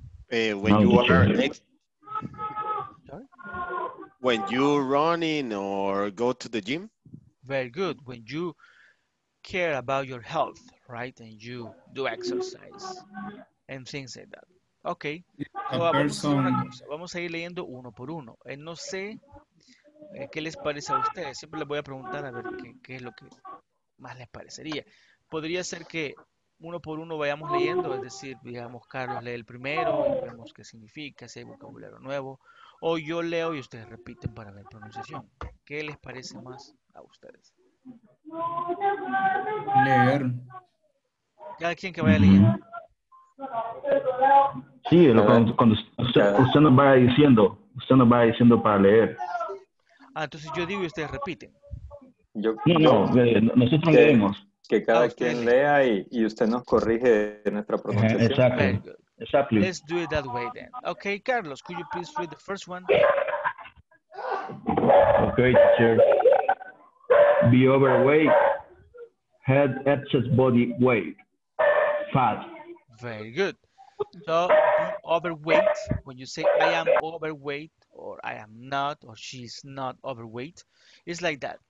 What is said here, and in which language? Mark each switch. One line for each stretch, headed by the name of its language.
English: When you're running or go to the gym? Very good. When you care about your health, right? And you do exercise and things like that.
Spanish: Okay, vamos a ir leyendo uno por uno. No sé qué les parece a ustedes. Siempre les voy a preguntar a ver qué es lo que más les parecería. Podría ser que uno por uno vayamos leyendo, es decir, digamos, Carlos lee el primero, vemos qué significa, si hay vocabulario nuevo, o yo leo y ustedes repiten para ver pronunciación. ¿Qué les parece más a ustedes? Leer. Cada quien que vaya leyendo. Sí, cuando usted nos va diciendo, para leer. Ah, entonces yo digo y ustedes repiten. Nosotros leemos. Que cada quien lea y usted nos corrige nuestra pronunciación.
English: Exactly. Let's do it that way then. Okay, Carlos, could you please read the first one? Okay, teacher. Be overweight, head excess body weight, fat. Very good. So, be overweight, when you say I am overweight, or I am not, or she's not overweight, it's like that.